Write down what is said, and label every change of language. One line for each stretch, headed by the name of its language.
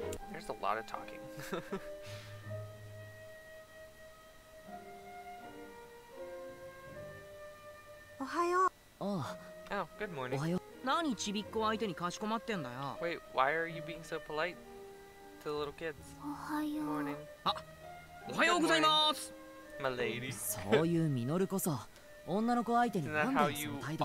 English: There's a lot of talking.
Japanese: おはよう。ああ。
English: Oh, good morning.
Japanese: おはよう。何ちびっこ相手にかしこまってんだよ。
English: Wait, why are you being so polite to little kids?
Japanese: おはよう。
English: Good morning.
Japanese: あ、おはようございます。
English: My lady.
Japanese: そういうミノルこそ、女の子相手に何でその態度。